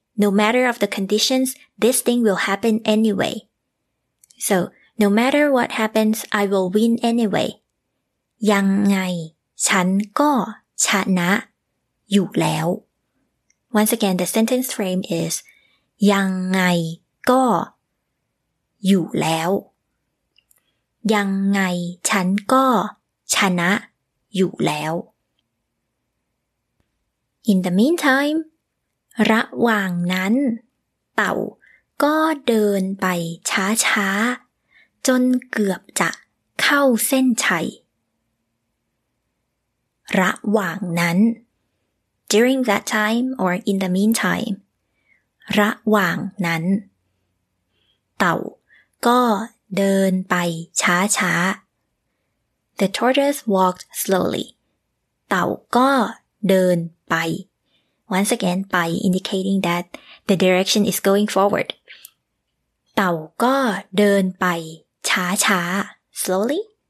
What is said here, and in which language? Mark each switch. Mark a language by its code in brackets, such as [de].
[en] No matter of the conditions, this thing will happen anyway. So, no matter what happens, I will win anyway. [th] ยังไงฉันก็ชนะอยู่แล้ว [en] Once again, the sentence frame is [th] ยังไงก็อยู่แล้วยังไงฉันก็ชนะอยู่แล้ว [en] In the meantime [th] ระหว่างนั้นเต่าก็เดินไปช้าๆจนเกือบจะเข้าเส้นชัยระหว่างนั้น [en] during that time or in the meantime [th] ระหว่างนั้นเต่าก็เดินไปช้าช้า [en] The tortoise walked slowly. [th] เต่าก็เดินไป [en] Once again, by indicating that the direction is going forward. [th] เต่าก็เดินไปช้าช้า [en] slowly.